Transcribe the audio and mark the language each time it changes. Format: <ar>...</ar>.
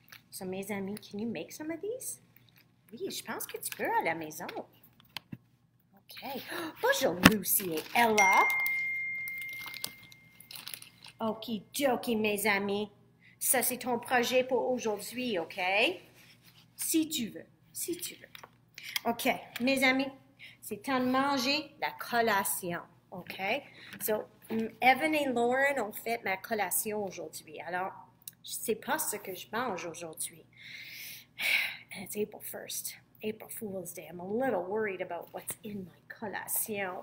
<en>So,</en> <fr>mes amis,</fr> <en>can you make some of these?</en> <fr>Oui, je pense que tu peux à la maison. OK. Bonjour, Lucy et Ella. Okie-dokie, mes amis. Ça, c'est ton projet pour aujourd'hui, OK? Si tu veux. Si tu veux. OK, mes amis, c'est temps de manger la collation, OK? So, Evan et Lauren ont fait ma collation aujourd'hui. Alors, je ne sais pas ce que je mange aujourd'hui.</fr> <en>It's April 1st, April Fool's Day. I'm a little worried about what's in my collation.</en>